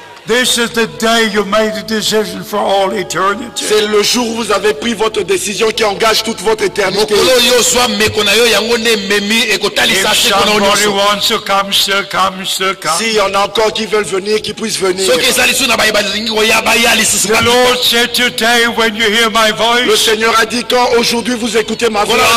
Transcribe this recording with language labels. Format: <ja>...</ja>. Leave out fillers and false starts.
<en>This is the day you made a decision for all eternity.</en> <fr>C'est le jour où vous avez pris votre décision qui engage toute votre éternité.</fr> <en>If somebody wants to come, still come, still come.</en> <fr>S'il y en a encore qui veulent venir, qui puissent venir.</fr> <en>The Lord said today, when you hear my voice.</en> <fr>Le Seigneur a dit quand aujourd'hui vous écoutez ma voix.</fr>